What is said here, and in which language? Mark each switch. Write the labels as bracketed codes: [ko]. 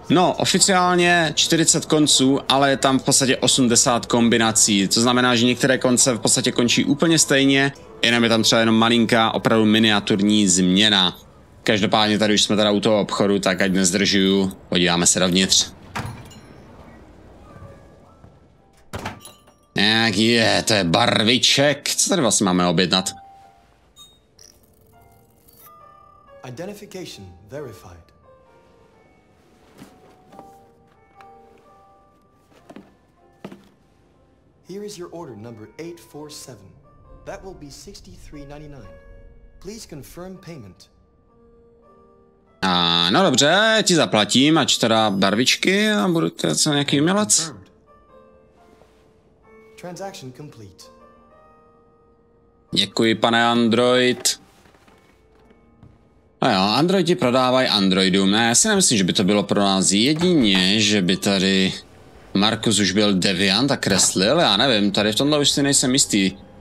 [cs] No, oficiálně 40 konců, ale je tam v podstatě 80 kombinací, to znamená, že některé konce v podstatě končí úplně stejně, jenom je tam třeba jenom malinká, opravdu miniaturní změna. Každopádně tady už jsme teda u toho obchodu, tak ať nezdržuju, podíváme se dovnitř. Jak je, to je barviček, co tady vlastně máme objednat? [en] Identification verified. Here is your order number 847. That will be $63.99. Please confirm payment. A no dobře, ti zaplatím, ať teda barvičky a budu teda co nějaký umělec. Transaction complete. [cs] Děkuji, pane Android. A jo, Androidi prodávají Androidům. Já si nemyslím, že by to bylo pro nás jedině, že by tady Markus už byl deviant a kreslil, já nevím, tady v tomhle už si nejsem jistý.